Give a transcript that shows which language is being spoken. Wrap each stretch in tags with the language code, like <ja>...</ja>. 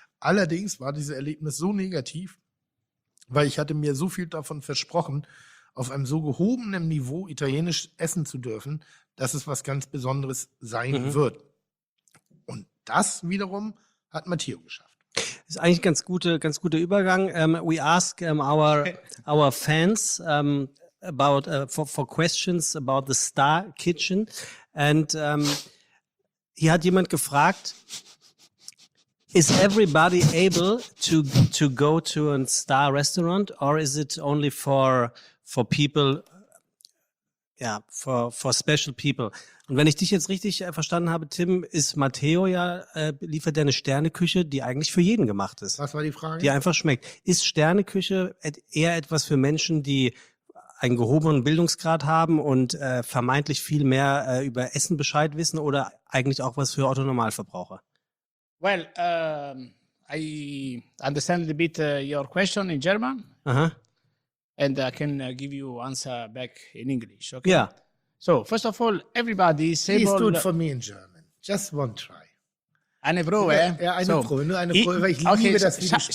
<de>Allerdings war dieses Erlebnis so negativ, weil ich hatte mir so viel davon versprochen, auf einem so gehobenen Niveau italienisch essen zu dürfen, dass es was ganz Besonderes sein wird. Und das wiederum hat Matteo geschafft. Ist eigentlich ein ganz guter Übergang.</de> <en>We ask our fans about for questions about the Star Kitchen. And</en> <de>hier hat jemand gefragt,</de> <en>is everybody able to go to a Star Restaurant or is it only for people, for special people?</en> <de>Und wenn ich dich jetzt richtig verstanden habe, Tim, ist Matteo ja, liefert der eine Sterneküche, die eigentlich für jeden gemacht ist. Was war die Frage? Die einfach schmeckt. Ist Sterneküche eher etwas für Menschen, die einen gehobenen Bildungsgrad haben und vermeintlich viel mehr über Essen Bescheid wissen oder eigentlich auch was für Otto-Normalverbraucher?</de> <en>Well, I understand a bit your question in German. Uh-huh. And I can give you answer back in English, okay? Yeah. So, first of all, everybody is able... Please do it for me in German. Just one try.</en> <de>Eine Probe, ja? Ja, nur eine Probe, weil ich liebe das Video.</de>